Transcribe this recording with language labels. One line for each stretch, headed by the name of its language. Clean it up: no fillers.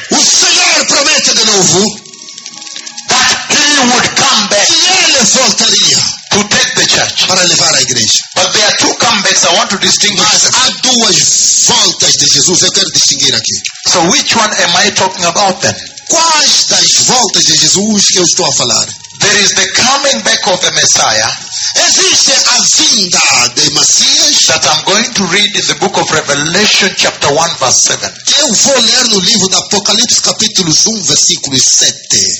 Portuguese: O Senhor promete de novo.
English: That he would come back.
Portuguese: Que ele voltaria.
English: To take the church.
Portuguese: Para levar a igreja.
English: But there are two comebacks I want to distinguish.
Portuguese: Mas há duas voltas de Jesus. Eu quero distinguir aqui.
English: So which one am I talking about then?
Portuguese: Quais das voltas de Jesus que eu estou a falar?
English: There is the coming back of the Messiah.
Portuguese: Existe a vinda de Messias.
English: That I'm going to read in the book of Revelation chapter 1 verse 7.
Portuguese: Que eu vou ler no livro do Apocalipse capítulo 1 versículo 7.